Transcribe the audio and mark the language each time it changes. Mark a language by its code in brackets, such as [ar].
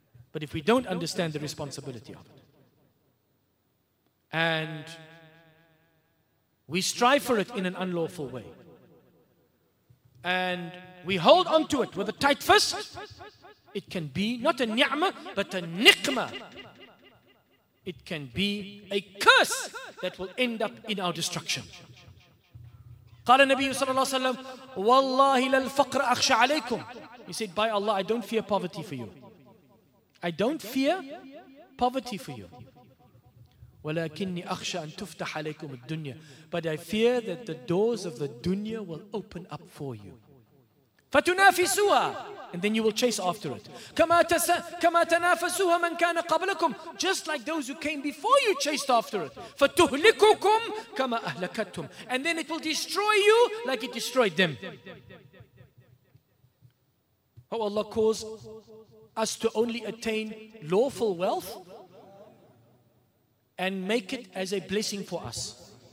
[en] But if we don't understand the responsibility of it, and we strive for it in an unlawful way, and we hold on to it with a tight fist, it can be not a ni'mah, but a niqmah. It can be a curse that will end up in our destruction. [ar] قال النبي صلى الله عليه وسلم والله للفقر أخشى عليكم. [en] He said, by Allah, I don't fear poverty for you. I don't fear poverty for you. [ar] ولكني أخشى أن تفتح عليكم الدنيا. [en] But I fear that the doors of the dunya will open up for you. [ar] فتنافسوها. [en] And then you will chase after it. [ar] كما تنافسوها من كان قبلكم. [en] Just like those who came before you chased after it. [ar] فتهلككم كما أهلكتهم. [en] And then it will destroy you like it destroyed them. Oh, Allah caused us to only attain lawful wealth and make it as a blessing for us.